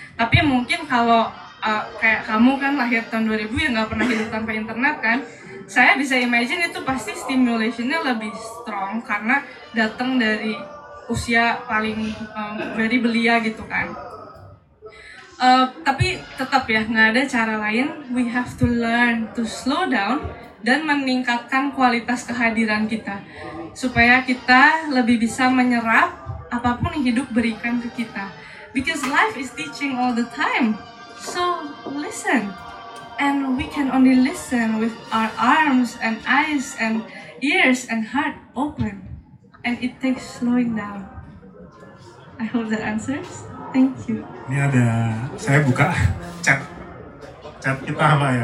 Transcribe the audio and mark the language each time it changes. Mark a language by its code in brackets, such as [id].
[id] Tapi mungkin kalau kayak kamu kan lahir tahun 2000 yang gak pernah hidup tanpa internet kan, saya bisa imagine itu pasti stimulation-nya [en] lebih strong [id] karena datang dari usia paling very belia gitu kan. Tapi tetap ya, nggak ada cara lain. [en] We have to learn to slow down [id] dan meningkatkan kualitas kehadiran kita supaya kita lebih bisa menyerap apapun yang hidup berikan ke kita. [en] Because life is teaching all the time. So listen, and we can only listen with our arms and eyes and ears and heart open. And it takes slowing down. I hope that answers. Thank you. [id] Ini ada, saya buka chat kita sama ya.